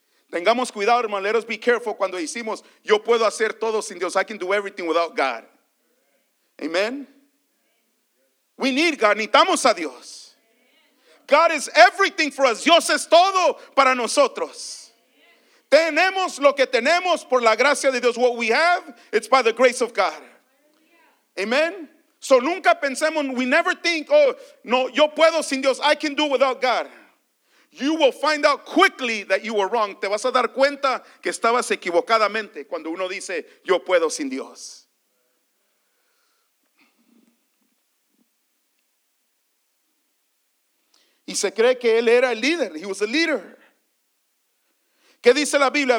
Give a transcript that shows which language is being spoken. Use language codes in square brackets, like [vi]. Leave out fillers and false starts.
[es] Tengamos cuidado, hermano, let us be careful cuando decimos, yo puedo hacer todo sin Dios. I can do everything without God. [en] Amen. We need God, necesitamos a Dios. God is everything for us. Dios es todo para nosotros. [es] Tenemos lo que tenemos por la gracia de Dios. [en] What we have, it's by the grace of God. Amen. [es] So nunca pensemos, we never think, oh, no, yo puedo sin Dios. [en] I can do without God. You will find out quickly that you were wrong. [es] Te vas a dar cuenta que estabas equivocadamente cuando uno dice, yo puedo sin Dios. Y se cree que él era el líder. [en] He was the leader. ¿Qué dice la Biblia?